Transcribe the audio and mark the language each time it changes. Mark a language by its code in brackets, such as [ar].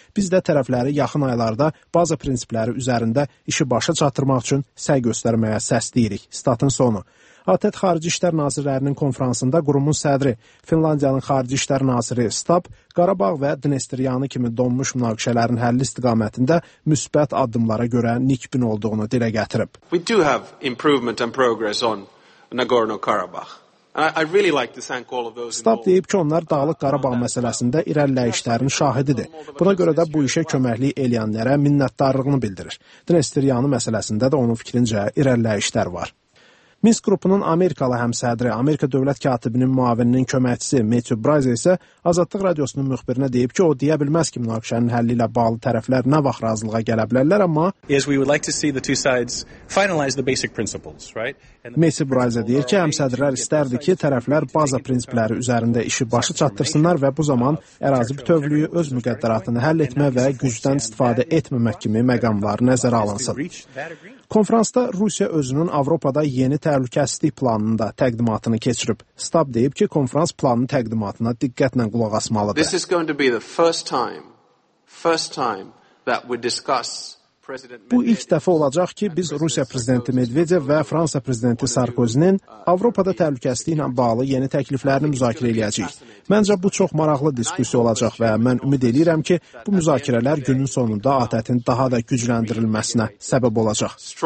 [az] Biz də tərəfləri yaxın aylarda baza prinsipləri üzərində işi başa çatdırmaq üçün səy göstərməyə səsləyirik. Statın sonu. ATƏT Xarici İşlər Nazirlərinin konfransında qurumun sədri, Finlandiyanın Xarici İşlər Naziri Stab, Qarabağ və Dnestriyanı kimi donmuş münaqişələrin həlli istiqamətində müsbət addımlara görə nikbin olduğunu dilə gətirib. [en] We do have improvement and progress on Nagorno-Karabakh. I really like to thank all of those. [az] Stab deyib ki, onlar Dağlıq Qarabağ məsələsində irəliləyişlərin şahididir. Buna görə də bu işə köməklik eləyənlərə minnətdarlığını bildirir. Dnestriyanı məsələsində də onun fikrincə irəliləyişlər var. Minsk qrupunun Amerikalı həmsədri, Amerika dövlət katibinin müavininin köməkçisi Matthew Braza isə Azadlıq Radiosunun müxbirinə deyib ki, o deyə bilməz ki, münaqişənin həlli ilə bağlı tərəflər nə vaxt razılığa gələ bilərlər, amma Matthew Braza deyir ki, həmsədrlər istərdi ki, tərəflər baza prinsipləri üzərində işi başa çatdırsınlar və bu zaman ərazi bütövlüyü öz müqəddəratını həll etmə və gücdən istifadə etməmək kimi məqamlar nəzərə alınsın. Konfransda Rusiya özünün Avropada yeni təhlükəsizlik planında təqdimatını keçirib. Stab deyib ki, konfrans planının təqdimatına diqqətlə qulaq asmalıdır. [en] This is going to be the first time that we discuss. [az] Bu ilk dəfə olacaq ki, biz Rusiya prezidenti Medvedev və Fransa prezidenti Sarkozinin Avropada təhlükəsizliklə bağlı yeni təkliflərini müzakirə edəcəyik. Məncə bu çox maraqlı diskussiya olacaq və mən ümid edirəm ki, bu müzakirələr günün sonunda ATƏT-in daha da gücləndirilməsinə səbəb olacaq.